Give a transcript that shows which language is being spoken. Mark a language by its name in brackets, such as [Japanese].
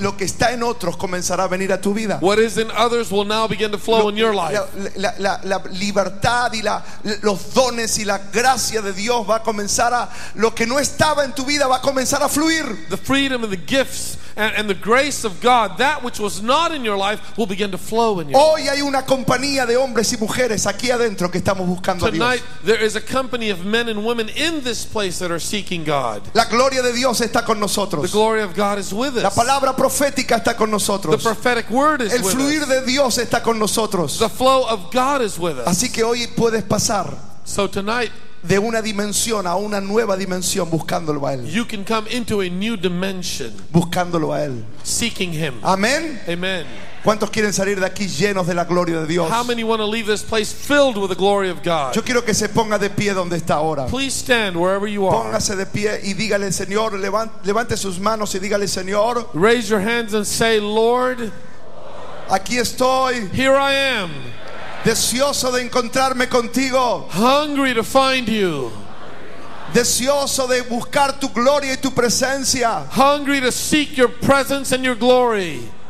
[Spanish] lo que está en otros comenzará a venir a tu vida. [English] What is in others will now begin to flow in your life. [Spanish] La libertad y los dones y la gracia de Dios va a comenzar a lo que no estaba en tu vida va a comenzar a fluir. [English] The freedom and the gifts and the grace of God, that which was not in your life, will begin to flow in your [Spanish] hoy [English] life. [Spanish] Hay una compañía de hombres y mujeres aquí adentro que estamos buscando [English] tonight [Spanish] a Dios. [English] There is a company of men and women in this place that are seeking God. [Spanish] La gloria de Dios está con nosotros. [English] The glory of God is with us. [Spanish] La palabra profética está con nosotros. [English] The prophetic word is [Spanish] el fluir [English] with [Spanish] de Dios está con nosotros. [English] The flow of God is with us. [Spanish] Así que hoy puedes pasar. [English] So tonight, [Spanish] de una dimensión a una nueva dimensión buscándolo a él. [English] You can come into a new dimension [Spanish] buscándolo a él. [English] Seeking him. [Spanish] Amén. [English] Amen. [Spanish] ¿Cuántos quieren salir de aquí llenos de la gloria de Dios? [English] How many want to leave this place filled with the glory of God? [Spanish] Yo quiero que se ponga de pie donde está ahora. [English] Please stand wherever you are. [Spanish] Póngase de pie y dígale Señor, levante sus manos y dígale Señor. [English] Raise your hands and say, Lord. [Spanish] Aquí estoy. [English] Here I am. [Spanish] Deseoso de encontrarme contigo. [English] Hungry to find you. [Spanish] Deseoso de buscar tu gloria y tu presencia. [English] Hungry to seek your presence and your glory.